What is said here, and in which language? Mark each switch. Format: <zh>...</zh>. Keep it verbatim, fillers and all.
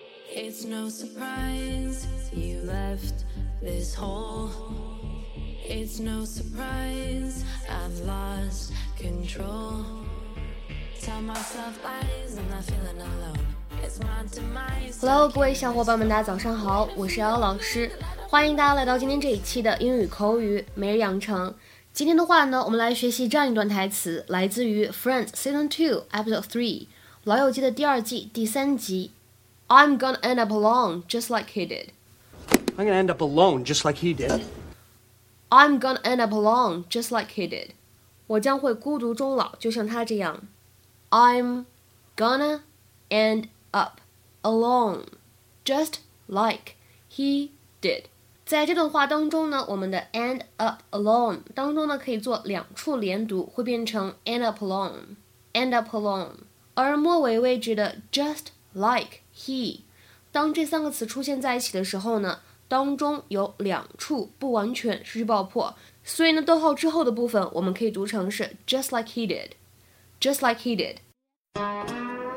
<en>It's no surprise you left this hole. It's no surprise I've lost control. Tell myself lies, I'm not feeling alone. It's my demise.</en> <zh>Hello， 各位小伙伴们，大家早上好，我是姚老师，欢迎大家来到今天这一期的英语口语每日养成。今天的话呢，我们来学习这样一段台词，来自于 Friends Season two Episode three 老友记的第二季第三集。</zh> <en>I'm gonna end up alone just like he did. I'm gonna end up alone just like he did. I'm gonna end up alone just like he did.</en> <zh>我将会孤独终老，就像他这样。</zh> <en>I'm gonna end up alone just like he did.</en> <zh>在这段话当中呢，我们的 end up alone 当中呢，可以做两处连读，会变成</zh> <en>end up alone, end up alone.</en> <zh>而末尾位置的</zh> <en>just like he 当这三个词出现在一起的时候呢，当中有两处不完全失去爆破，所以呢逗号之后的部分我们可以读成是 just like he did,</en> <zh>just like he did。</zh>